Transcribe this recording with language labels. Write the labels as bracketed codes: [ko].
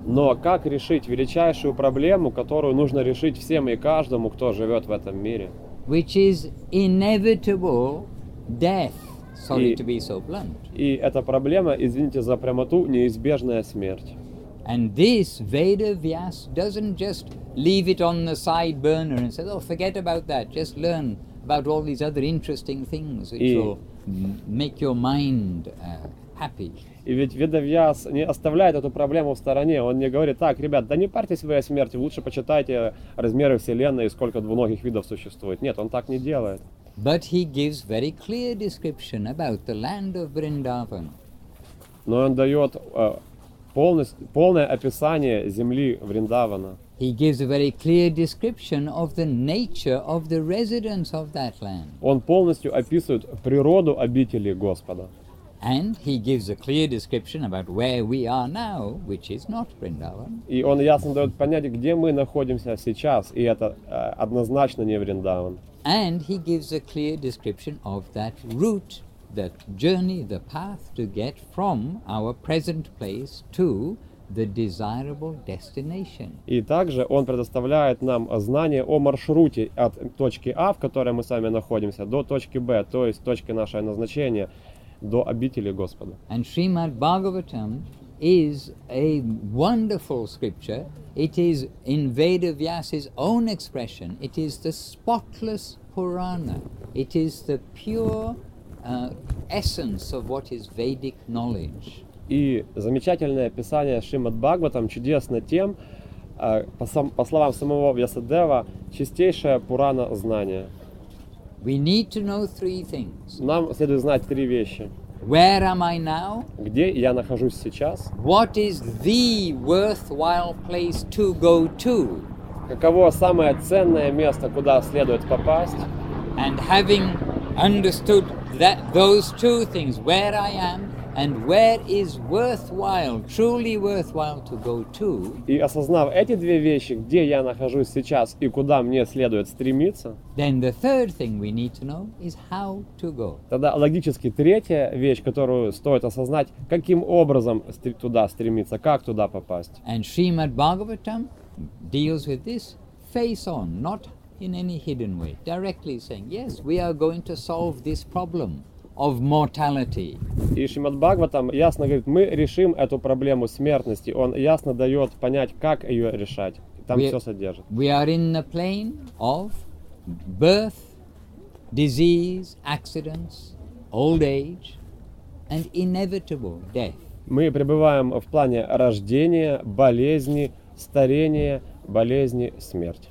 [ru] Но как решить величайшую проблему, которую нужно решить всем и каждому, кто живет в этом мире? [en] Which is inevitable death. Sorry to be so blunt. [ru] И эта проблема, извините за прямоту, неизбежная смерть. [en] And this Veda Vyas doesn't just leave it on the side burner and say, oh, forget about that. Just learn about all these other interesting things which will make your mind happy. [ru] И ведь Веда Вьяс не оставляет эту проблему в стороне. Он не говорит: так, ребят, да не парьтесь вы о смерти, лучше почитайте размеры Вселенной и сколько двуногих видов существует. Нет, он так не делает. [en] But he gives very clear description about the land of Vrindavan. [ru] Но он дает полное описание земли Вриндавана. [en] He gives a very clear description of the nature of the residents of that land. [ru] Он полностью описывает природу обители Господа. [en] And he gives a clear description about where we are now, which is not Vrindavan. [ru] И он ясно дает понять, где мы находимся сейчас, и это однозначно не Вриндаван. [en] And he gives a clear description of that route, that journey, the path to get from our present place to the desirable destination. [ru] И также он предоставляет нам знание о маршруте от точки А, в которой мы с вами находимся, до точки Б, то есть точки нашего назначения. До обители Господа. [en] And Srimad Bhagavatam is a wonderful scripture. It is in Veda Vyasa's own expression. It is the spotless Purana. It is the pure essence of what is Vedic knowledge. [ru] И замечательное писание Шримад Бхагаватам чудесно тем, по словам самого Вьясадева, чистейшая Пурана знания. [en] We need to know three things. [ru] Нам следует знать три вещи. [en] Where am I now? [ru] Где я нахожусь сейчас? [en] What is the worthwhile place to go to? [ru] Каково самое ценное место, куда следует попасть? [en] And having understood that those two things, where I am And where is worthwhile, truly worthwhile to go to? [ru] И осознав эти две вещи, где я нахожусь сейчас и куда мне следует стремиться? [en] Then the third thing we need to know is how to go. [ru] Тогда логически третья вещь, которую стоит осознать, каким образом туда стремиться, как туда попасть? [en] And Srimad Bhagavatam deals with this face on, not in any hidden way, directly saying, yes, we are going to solve this problem. Of mortality. [ru] И Шримад Бхагаватам ясно говорит, мы решим эту проблему смертности. Он ясно дает понять, как ее решать. Там все содержит. [en] We are in the plane of birth, disease, accidents, old age, and inevitable death. [ru] Мы пребываем в плане рождения, болезни, старения, болезни, смерть.